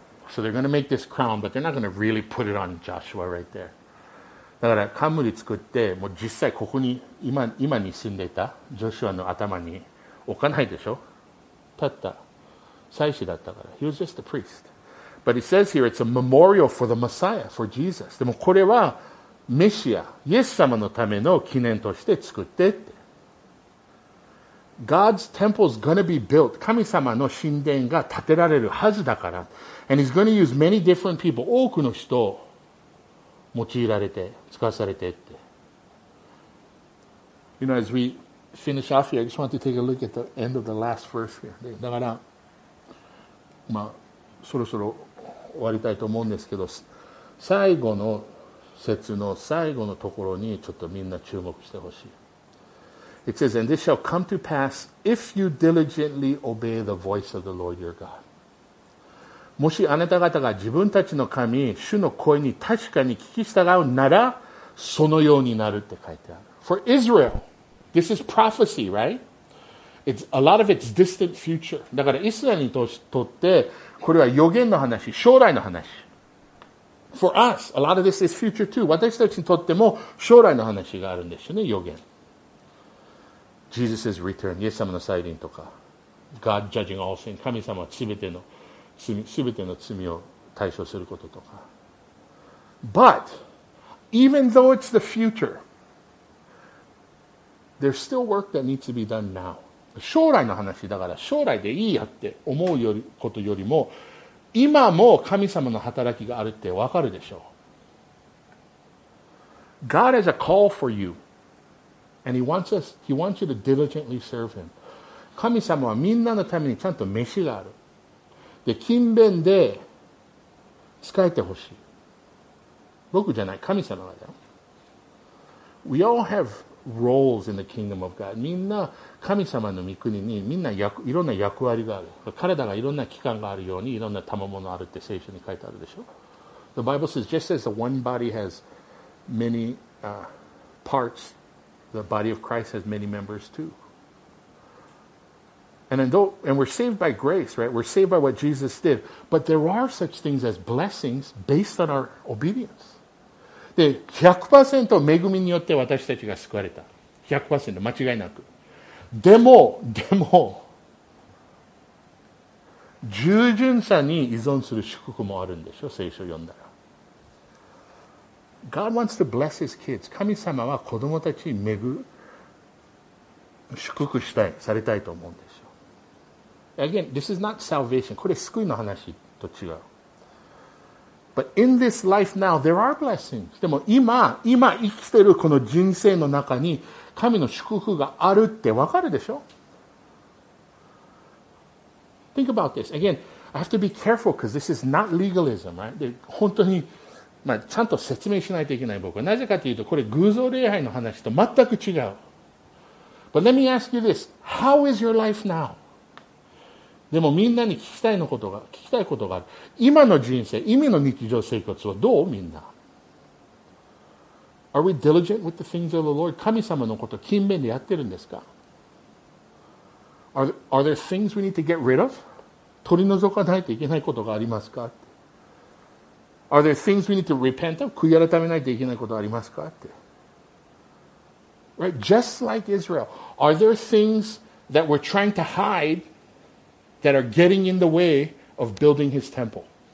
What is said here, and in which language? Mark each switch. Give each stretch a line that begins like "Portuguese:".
English: So they're going to make this crown, but they're not going to really put it on Joshua right there.
Japanese: だから冠作って、もう実際ここに 今に住んでいたジョシュアの頭に置かないでしょ。たった祭司だったから。
English: He was just a priest. But it says here it's a memorial for the Messiah, for Jesus.
Japanese: でもこれはメシア、イエス様のための記念として作ってって。
English: God's temple is going to be built.
Japanese: 神様の神殿が建てられるはずだから。
English: And he's going to use many different people.
Japanese: 多くの人を用いられて、使わされてって。
English: You know, as we finish off here, I just want to take a look at the end of the last verse here.
Japanese: だから、まあ、そろそろ終わりたいと思うんですけど、最後の節の最後のところにちょっとみんな注目してほしい。
English: It says, and this shall come to pass if you diligently obey the voice of the Lord your God.
Japanese: もしあなた方が自分たちの神、主の声に確かに聞き従うなら、そのようになるって書いてある。
English: For Israel, this is prophecy, right? It's, a lot of it's distant future.
Japanese: だからイスラエルにとって、これは予言の話、将来の話。
English: For us, a lot of this is future too.
Japanese: 私たちにとっても将来の話があるんですよね、予言。
English: Jesus' return,
Japanese: イエス様の再臨とか、
English: God judging all sin,
Japanese: 神様は全ての罪を対処することとか。
English: But, even though it's the future, there's still work that needs to be done now.
Japanese: 将来の話だから、将来でいいやって思うよりことよりも、今も神様の働きがあるってわかるでしょう。
English: God has a call for you. And he wants us, he wants you to diligently serve him.
Japanese: 神様はみんなのためにちゃんと飯がある。で、勤勉で仕えてほしい。僕じゃない、神様がだよ。
English: We all have roles in the kingdom of God.
Japanese: みんな神様の御国にみんな役、いろんな役割がある。体がいろんな器官があるように、いろんな賜物あるって聖書に書いてあるでしょ。
English: The Bible says, just as the one body has many, parts,The body of Christ has many members too. And we're saved by grace, right? We're saved by what Jesus did. But there are such things as blessings based on our obedience.
Japanese: で、100% 恵みによって私たちが救われた。 100% 間違いなく。でも、従順さに依存する祝福もあるんでしょ、聖書読んだら。
English: God wants to bless his kids.
Japanese: 神様は子供たちに祝福したい、されたいと思うんですよ。
English: Again, this is not salvation.
Japanese: これ救いの話と違う。
English: But in this life now, there are blessings.
Japanese: でも今生きてるこの人生の中に神の祝福があるってわかるでしょ?
English: Think about this. Again, I have to be careful because this is not legalism, right?
Japanese: で、本当にまあ、ちゃんと説明しないといけない僕は。なぜかというと、これ偶像礼拝の話と全く違う。
English: But let me ask you this. How is your life now?
Japanese: でもみんなに聞きたいことがある。今の人生、今の日常生活はどうみんな。
English: Are we diligent with the things of the Lord?
Japanese: 神様のこと勤勉でやってるんですか
English: are there things we need to get rid of?
Japanese: 取り除かないといけないことがありますか
English: Are there things we need to repent of?
Japanese: 悔い改めないといけないことありますかって。
English: Right? Just like Israel. Are there things that we're trying to hide that are getting in the way of building his temple?